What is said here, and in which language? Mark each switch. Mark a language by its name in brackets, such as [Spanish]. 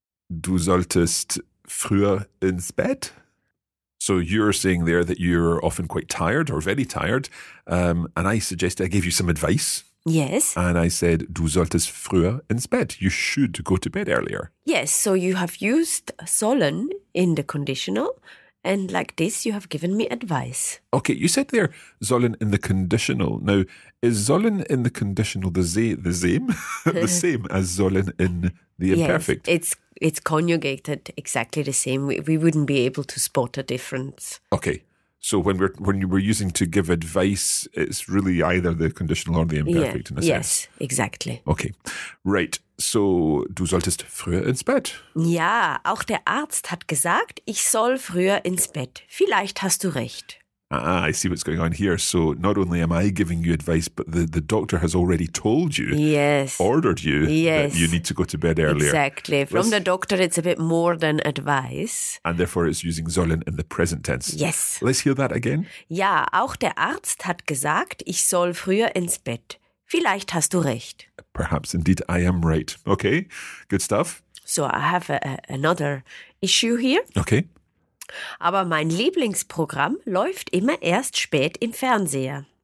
[German] Du solltest früher ins Bett. [English] So you're saying there that you're often quite tired or very tired. And I gave you some advice. Yes. And I said, [German] du solltest früher ins Bett. [English] You should go to bed earlier. Yes. So you have used sollen in the conditional. And like this, you have given me advice. Okay. You said there, sollen in the conditional. Now, is sollen in the conditional the same? The same as sollen in the imperfect? Yes, it's conjugated exactly the same. We wouldn't be able to spot a difference. Okay. So when we're using to give advice, it's really either the conditional or the imperfect in a sense. Yes, exactly. Okay. Right. [German] So du solltest früher ins Bett. Ja, auch der Arzt hat gesagt, ich soll früher ins Bett. Vielleicht hast du recht. [English] Ah, I see what's going on here. So not only am I giving you advice, but the doctor has already told you, ordered you, that you need to go to bed earlier. Exactly. From the doctor, it's a bit more than advice. And therefore it's using sollen in the present tense. Yes. Let's hear that again. [German] Ja, auch der Arzt hat gesagt, ich soll früher ins Bett. Vielleicht hast du recht. [English] Perhaps indeed I am right. Okay, good stuff. So I have another issue here. Okay. [German] Aber mein Lieblingsprogramm läuft immer erst spät im Fernseher.